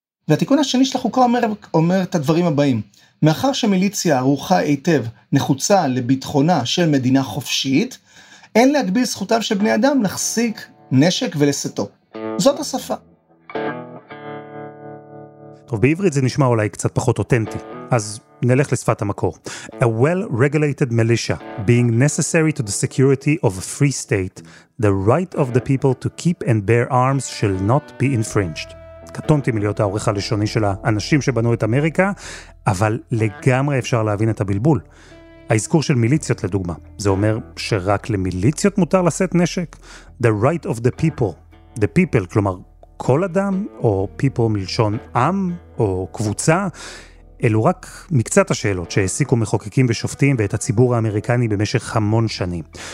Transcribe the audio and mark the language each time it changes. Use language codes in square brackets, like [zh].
[he] והתיקון השני של החוקה אומר את הדברים הבאים. מאחר שמיליציה ערוכה היטב נחוצה לביטחונה של מדינה חופשית, אין להגביל זכותיו של בני אדם להחזיק נשק ולסתו. זאת השפה. טוב, בעברית זה נשמע אולי קצת פחות אותנטי. אז נלך לשפת המקור. [en] A well-regulated militia, being necessary to the security of a free state, the right of the people to keep and bear arms shall not be infringed. [he] קטונתי מלהיות האורך הלשוני של האנשים שבנו את אמריקה, אבל לגמרי אפשר להבין את הבלבול. האזכור של מיליציות לדוגמה, זה אומר שרק למיליציות מותר לשאת נשק? [en] The right of the people, [he] כלומר כל אדם, או people מלשון עם, או קבוצה, אלו רק מקצת השאלות שהעסיקו מחוקקים ושופטים ואת הציבור האמריקני במשך המון שנים.